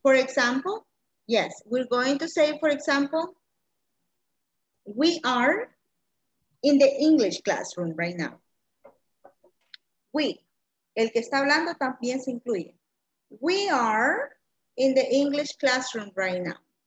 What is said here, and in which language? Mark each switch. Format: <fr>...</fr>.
<en>For example, yes, we're going to say, for example, we are in the English classroom right now.</en> <es>We, el que está hablando también se incluye.</es> <en>We are in the English classroom right now.</en>